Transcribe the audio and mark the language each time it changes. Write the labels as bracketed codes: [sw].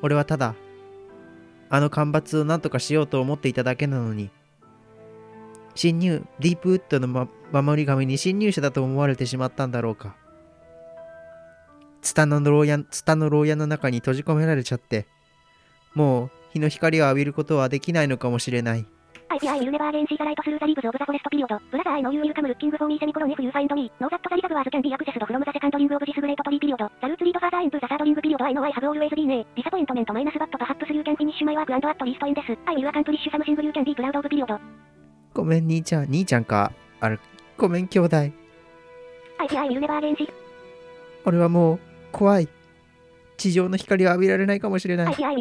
[ja] 俺はただ、あの干ばつを何とかしようと思っていただけなのに。侵入、ディープウッドの、守り神に侵入者だと思われてしまったんだろうか。ツタの牢屋の中に閉じ込められちゃって、もう日の光を浴びることはできないのかもしれない。 [en] I will never again see the light through the leaves of the forest period. Brother, I know you will come looking for me semicolon if you find me. Know that the reservoirs can be accessed from the second ring of this great tree period. The roots lead further into the third ring period. I know I have always been a disappointment minus but perhaps you can finish my work and at least in this. I will accomplish something you can be proud of period. [ja] ごめん兄ちゃん、兄ちゃんか。あれ、ごめん兄弟。 [en] I will never again see... [ja] 俺はもう怖い。地上の光を浴びられないかもしれない。